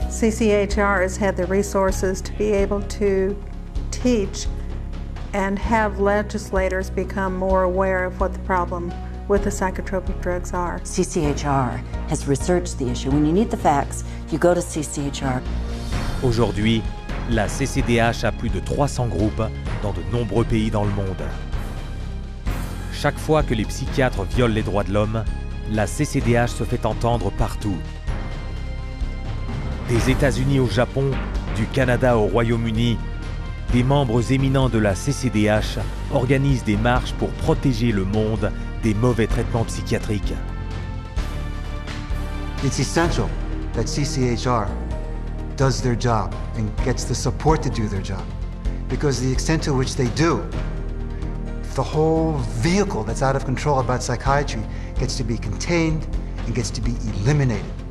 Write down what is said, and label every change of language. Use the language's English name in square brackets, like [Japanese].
[English] CCHR has had the resources to be able to teach and have legislators become more aware of what the problem with the psychotropic drugs are. CCHR has researched the issue. When you need the facts, you go to CCHR. [French] Aujourd'hui, la CCDH a plus de 300 groupes dans de nombreux pays dans le monde. Chaque fois que les psychiatres violent les droits de l'homme, la CCDH se fait entendre partout. Des États-Unis au Japon, du Canada au Royaume-Uni, Des membres éminents de la CCDH organisent des marches pour protéger le monde des mauvais traitements psychiatriques. [English] It's essential that CCHR does their job and gets the support to do their job. Because the extent to which they do, the whole vehicle that's out of control about psychiatry gets to be contained and gets to be eliminated.